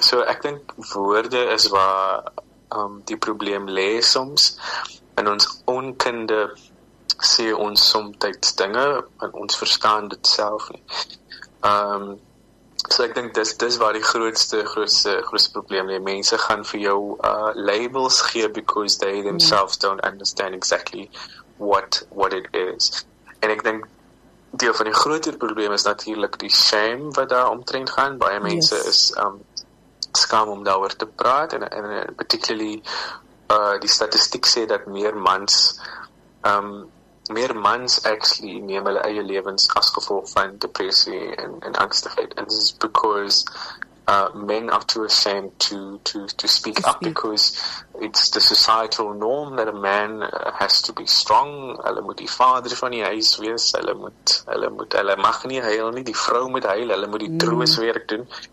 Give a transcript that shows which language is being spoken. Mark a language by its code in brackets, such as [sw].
[af] So ek dink woorde is waar die probleem lê soms. En ons onkunde sê ons somtyds dinge, en ons verstaan dit self nie. So ek dink dis waar die grootste probleem lê. Mense gaan vir jou labels gee [en] because they themselves don't understand exactly what it is. [af] En ek dink deel van die groter probleem is natuurlik die shame wat daar omtrent gaan. Baie mense is skaam om daaroor te praat, en particularly die statistiek sê dat meer mans actually neem hulle eie lewens as gevolg van depressie en angstigheid. [en] And this is because men are too ashamed to speak up, because it's the societal norm that a man has to be strong. [af] Hulle moet die vader van die huis wees, hulle mag nie huil nie, die vrou moet huil, hulle moet die troos werk doen.